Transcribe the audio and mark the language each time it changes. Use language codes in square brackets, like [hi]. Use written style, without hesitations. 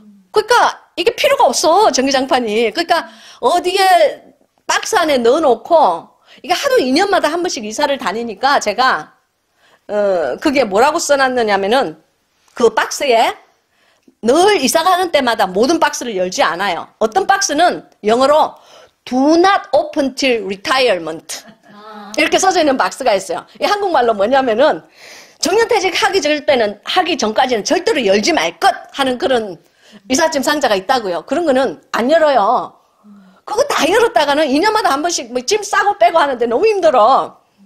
[ko] 그러니까 이게 필요가 없어, 전기장판이. 그러니까 어디에 박스 안에 넣어놓고, 이게 하도 2년마다 한 번씩 이사를 다니니까 제가, 그게 뭐라고 써놨느냐면은 그 박스에 늘 이사가는 때마다 모든 박스를 열지 않아요. 어떤 박스는 영어로 [en] Do not open till retirement. [ko] 이렇게 써져 있는 박스가 있어요. 이 한국말로 뭐냐면은, 정년퇴직 하기 전까지는 절대로 열지 말것 하는 그런 이삿짐 상자가 있다고요. 그런 거는 안 열어요. 그거 다 열었다가는 2년마다 한 번씩 뭐짐 싸고 빼고 하는데 너무 힘들어.